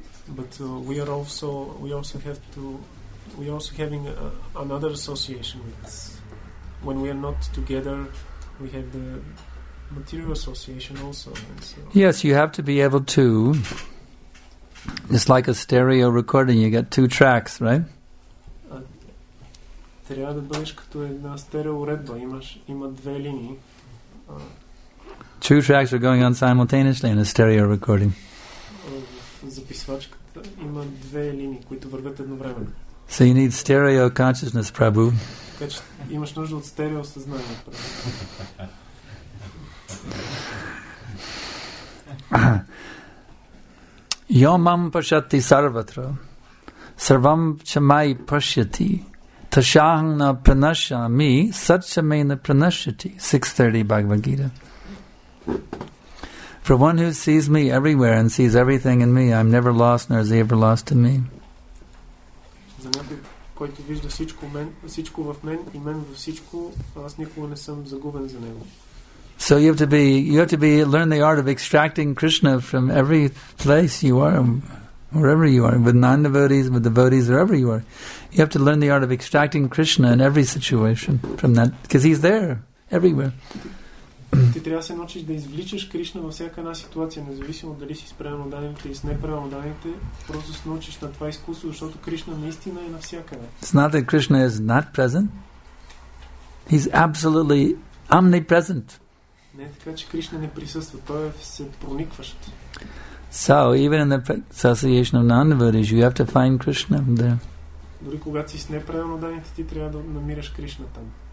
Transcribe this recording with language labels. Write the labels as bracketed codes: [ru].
[en] But we are also having another association with us. When we are not together, we have the material association also. Yes, you have to be able to. It's like a stereo recording. You get two tracks, right? [bg] Трябва да бъдеш като една стерео уредба. Имаш има две линии. [en] Two tracks are going on simultaneously in a stereo recording. [bg] Записвачката има две линии, които вървят едновременно. [en] So you need stereo consciousness, Prabhu. [bg] Имаш нужда от стерео съзнание, Prabhu. [sa] Yomam pashyati sarvatra sarvam chamai pashyati tashang na pranashyami satchame na pranashyati. [en] 6:30 Bhagavad Gita. For one who sees me everywhere and sees everything in me, I'm never lost, nor is he ever lost to me. [bg] За някой, който вижда всичко в мен и мен във всичко, аз никога не съм загубен за него. [en] So you have to learn the art of extracting Krishna from every place you are, wherever you are, with non-devotees, with devotees, wherever you are. You have to learn the art of extracting Krishna in every situation from that, because he's there, everywhere. [bg] Ти трябва да се научиш да извличаш Кришна във всяка една ситуация, независимо дали си с правилно данните или с неправилно данните, просто се научиш на това изкуство, защото Кришна наистина е навсякъде. [en] It's not that Krishna is not present. He's absolutely omnipresent. [bg] Не така, че Кришна не присъства, той е всепроникващ. [en] So, even in the association of non-devotees, you have to find Krishna there. [bg] Дори когато си с неправилно данните, ти трябва да намираш Кришна там.